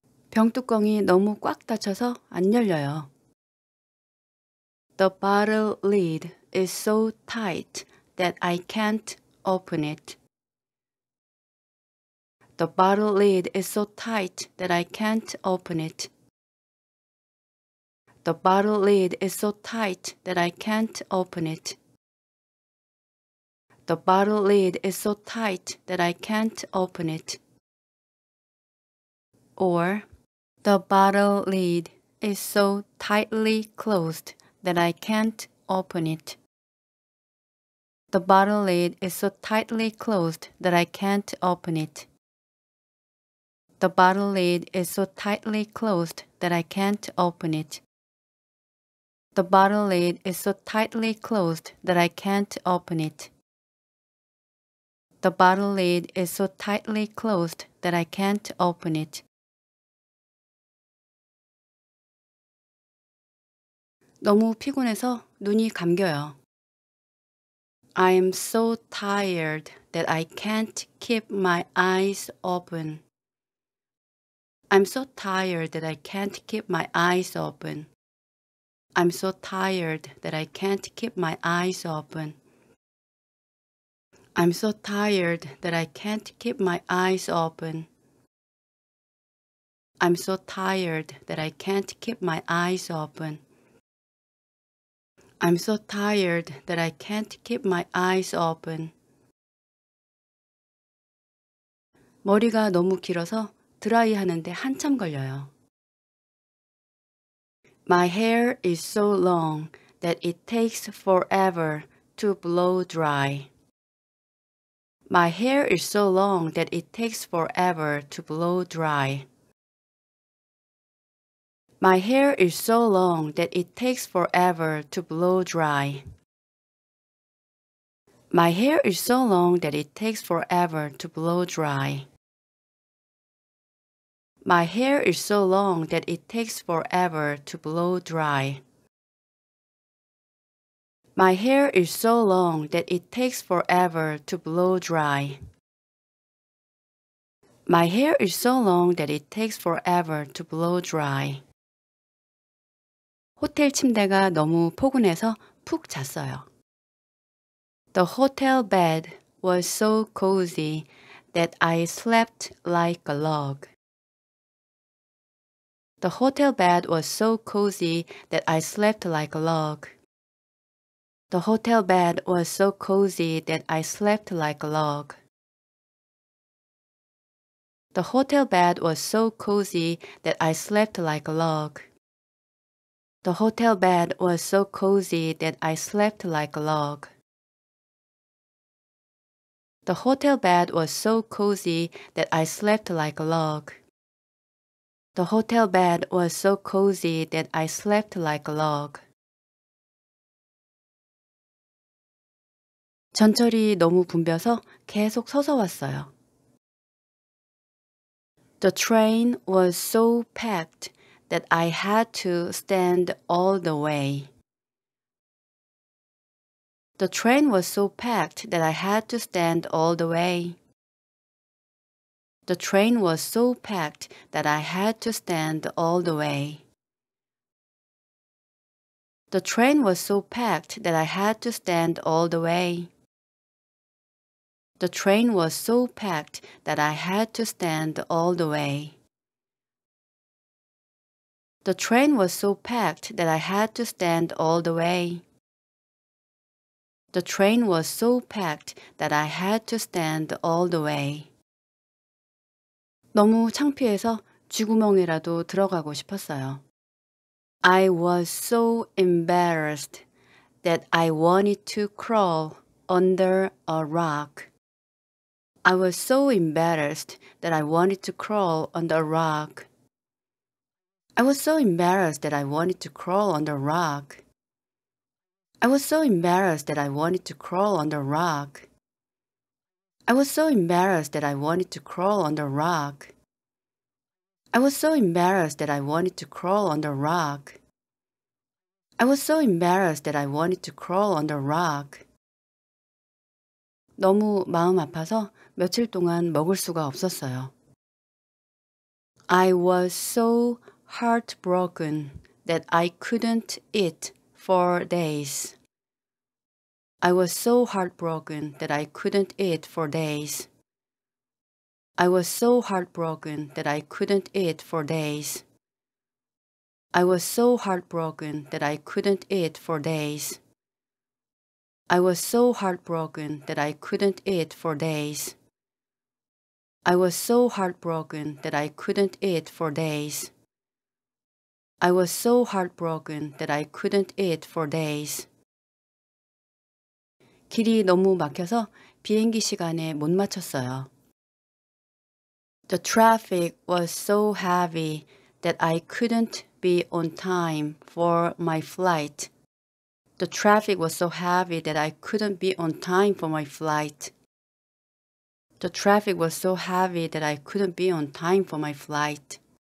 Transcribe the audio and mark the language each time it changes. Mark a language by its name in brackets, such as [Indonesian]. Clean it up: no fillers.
[Korean] 병뚜껑이 너무 꽉 닫혀서 안 열려요. [English] The bottle lid is so tight that I can't open it. The bottle lid is so tight that I can't open it. The bottle lid is so tight that I can't open it. The bottle lid is so tight that I can't open it. Or, the bottle lid is so tightly closed that I can't open it. The bottle lid is so tightly closed that I can't open it. The bottle lid is so tightly closed that I can't open it. The bottle lid is so tightly closed that I can't open it. The bottle lid is so tightly closed that I can't open it. [Korean] 너무 피곤해서 눈이 감겨요. [English] I am so tired that I can't keep my eyes open. I'm so tired that I can't keep my eyes open. I'm so tired that I can't keep my eyes open. I'm so tired that I can't keep my eyes open. I'm so tired that I can't keep my eyes open. I'm so tired that I can't keep my eyes open. [Korean] 머리가 너무 길어서 드라이하는데 한참 걸려요. [English] My hair is so long that it takes forever to blow dry. My hair is so long that it takes forever to blow dry. My hair is so long that it takes forever to blow dry. My hair is so long that it takes forever to blow dry. My hair is so long that it takes forever to blow dry. My hair is so long that it takes forever to blow dry. My hair is so long that it takes forever to blow dry. [Korean] 호텔 침대가 너무 포근해서 푹 잤어요. [English] The hotel bed was so cozy that I slept like a log. The hotel bed was so cozy that I slept like a log. The hotel bed was so cozy that I slept like a log. The hotel bed was so cozy that I slept like a log. The hotel bed was so cozy that I slept like a log. The hotel bed was so cozy that I slept like a log. The hotel bed was so cozy that I slept like a log. [Korean] 전철이 너무 붐벼서 계속 서서 왔어요. [English] The train was so packed that I had to stand all the way. The train was so packed that I had to stand all the way. The train was so packed that I had to stand all the way. The train was so packed that I had to stand all the way. The train was so packed that I had to stand all the way. The train was so packed that I had to stand all the way. The train was so packed that I had to stand all the way. [Korean] 너무 창피해서 쥐구멍이라도 들어가고 싶었어요. [English] I was so embarrassed that I wanted to crawl under a rock. I was so embarrassed that I wanted to crawl under a rock. I was so embarrassed that I wanted to crawl under a rock. I was so embarrassed that I wanted to crawl under a rock. I was so embarrassed that I wanted to crawl under a rock. I was so embarrassed that I wanted to crawl under a rock. I was so embarrassed that I wanted to crawl under a rock. [Korean] 너무 마음 아파서 며칠 동안 먹을 수가 없었어요. [English] I was so heartbroken that I couldn't eat for days. I was so heartbroken that I couldn't eat for days. I was so heartbroken that I couldn't eat for days. I was so heartbroken that I couldn't eat for days. I was so heartbroken that I couldn't eat for days. I was so heartbroken that I couldn't eat for days. I was so heartbroken that I couldn't eat for days. [Korean] 길이 너무 막혀서 비행기 시간에 못 맞췄어요. [English] The traffic was so heavy that I couldn't be on time for my flight. The traffic was so heavy that I couldn't be on time for my flight. The traffic was so heavy that I couldn't be on time for my flight.